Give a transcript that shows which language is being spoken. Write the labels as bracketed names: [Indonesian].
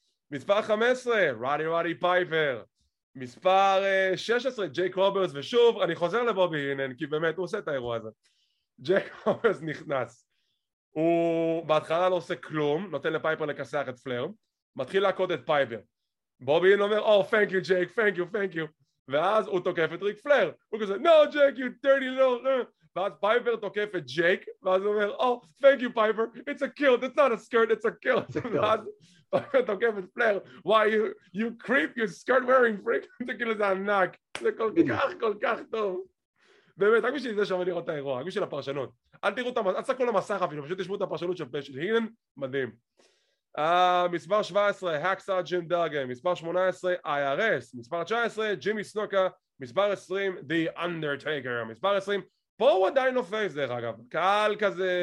[Hebrew] מספר 15, רדי רדי פייפר. מספר 16, ג'ייק רוברס, ושוב, אני חוזר לבובי הינן, כי באמת הוא עושה את האירוע הזה. ג'ייק רוברס נכנס. הוא בהתחלה לא עושה כלום, נותן לפייפר לקסח את פלר, מתחיל להקוד את פייפר. בובי הינן אומר, [English] oh, thank you, [Hebrew] ג'ייק, [English] thank you, thank you. [Hebrew] ואז הוא תוקף את ריק פלר. הוא כזה, [English] no, ג'ייק, you dirty little... [Hebrew] ואז פייפר תוקף את ג'ייק, ואז הוא אומר, [English] oh, thank you, פייפר, it's a kill, it's not a skirt, it's a kill. ואז... [Hebrew] תוקף את פלר, [English] why you creep, you skirt wearing freak, [Hebrew] זה כאילו זה ענק, זה כל כך כל כך טוב. באמת, רק בשביל זה שווה לראות את האירוע, רק בשביל הפרשנות. אל תראו את המסך, אל תסתכלו למסך אפילו, פשוט תשמעו את הפרשנות של פשל הינן, מדהים. מספר 17, הקסאג' ג'ים דאגן, מספר 18, IRS, מספר 19, ג'ימי סנוקה, מספר 20, The Undertaker, מספר 20, פה הוא עדיין לא פייס דרך אגב, קהל כזה...